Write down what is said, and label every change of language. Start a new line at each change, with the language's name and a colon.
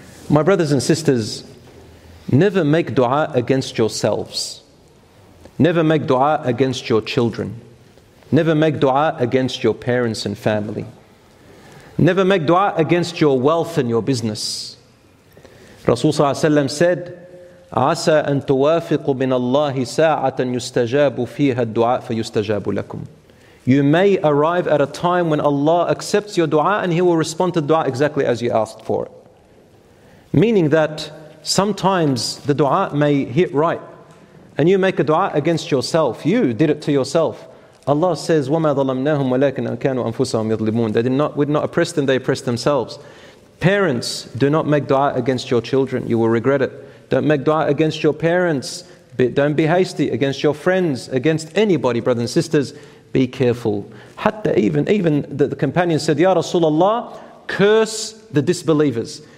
English: My brothers and sisters, never make dua against yourselves. Never make dua against your children. Never make dua against your parents and family. Never make dua against your wealth and your business.
Arabic: Rasul Sallallahu Alaihi Wasallam said, عَسَىٰ أَن تُوَافِقُ مِنَ اللَّهِ سَاعَةً يُسْتَجَابُ فِيهَا الدُّعَاءَ فَيُسْتَجَابُ لَكُمْ.
English: You may arrive at a time when Allah accepts your dua and He will respond to the dua exactly as you asked for it. Meaning that sometimes the dua may hit right. And you make a dua against yourself. You did it to yourself. Allah says,
Arabic: وَمَا ظَلَمْنَاهُمْ وَلَكِنَا كَانُوا أَنفُسَهُمْ يَظْلِمُونَ.
English: We did not oppress them, they oppressed themselves. Parents, do not make dua against your children. You will regret it. Don't make dua against your parents. Don't be hasty against your friends, against anybody, brothers and sisters. Be careful. Hatta even the companion said, Ya Rasulullah, curse the disbelievers.